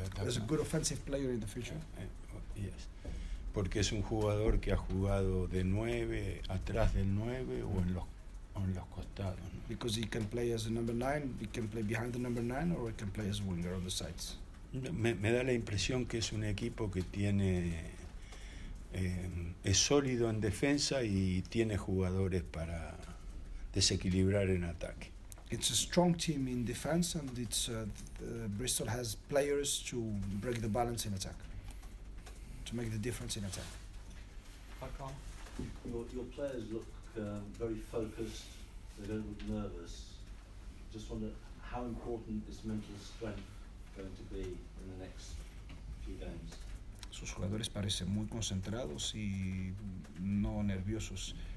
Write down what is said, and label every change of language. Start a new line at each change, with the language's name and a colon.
English: There's a good offensive player in the future. Yes.
Spanish: Porque es un jugador que ha jugado de 9, atrás del 9 o en los costados, ¿no?
English: Because he can play as a number 9, he can play behind the number 9 or he can play as a winger on the sides.
Spanish: Me da la impresión que es un equipo que tiene es sólido en defensa y tiene jugadores para desequilibrar en ataque.
English: It's a strong team in defense, and Bristol has players to break the balance in attack, to make the difference in attack. Hakan, your players look very focused. They don't look nervous. Just wonder how important is mental strength going to be in the next few games.
Spanish: Sus jugadores parecen muy concentrados y no nerviosos.